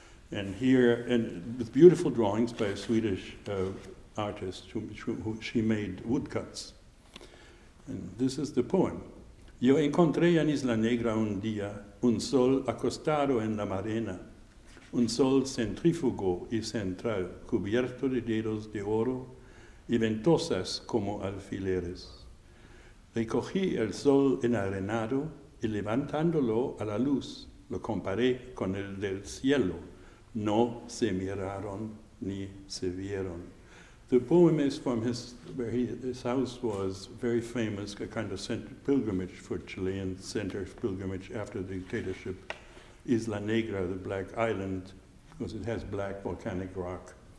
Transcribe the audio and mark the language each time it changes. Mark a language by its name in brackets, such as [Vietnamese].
[English] And here, and with beautiful drawings by a Swedish artist, who she made woodcuts. And this is the poem. [Spanish] Yo encontré en Isla Negra un día un sol acostado en la marena, un sol centrífugo y central, cubierto de dedos de oro y ventosas como alfileres. Recogí el sol enarenado y levantándolo a la luz, lo comparé con el del cielo. No se miraron ni se vieron. [English] The poem is from his house was very famous, a kind of center, pilgrimage for Chilean center of pilgrimage after the dictatorship, Isla Negra, the Black Island, because it has black volcanic rock.